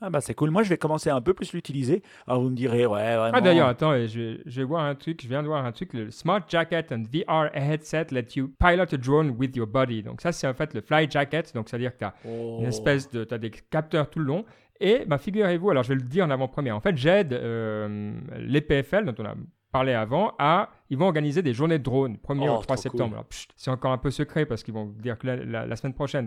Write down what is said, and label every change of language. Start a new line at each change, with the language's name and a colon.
French: Ah bah c'est cool. Moi, je vais commencer à un peu plus l'utiliser. Alors, vous me direz, ouais, vraiment. Ah d'ailleurs, attends, je viens de voir un truc.
English: Le Smart Jacket and VR Headset let you pilot a drone with your body.
French: Donc ça, c'est en fait le Fly Jacket. Donc c'est-à-dire que t'as des capteurs tout le long. Et figurez-vous, alors je vais le dire en avant-première. En fait, j'aide les PFL dont on a parlé avant à... Ils vont organiser des journées de drones, 1er ou 3 septembre. Cool. Alors, c'est encore un peu secret parce qu'ils vont dire que la semaine prochaine.